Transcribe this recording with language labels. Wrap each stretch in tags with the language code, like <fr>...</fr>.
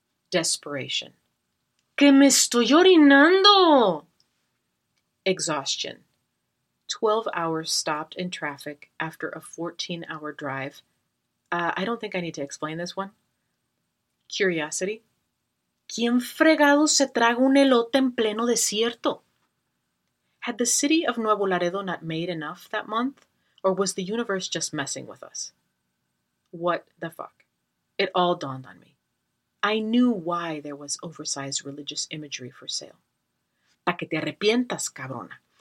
<en>Desperation.</en> <es>¡Que me estoy orinando!</es> <en>Exhaustion. 12 hours stopped in traffic after a 14-hour drive. I don't think I need to explain this one.</en> <es>¿Qué</es> <en>curiosity.</en> <es>¿Quién fregado se traga un elote en pleno desierto?</es> <en>Had the city of Nuevo Laredo not made enough that month, or was the universe just messing with us? What the fuck? It all dawned on me. I knew why there was oversized religious imagery for sale.</en> <es>Pa' que te arrepientas, cabrona.</es>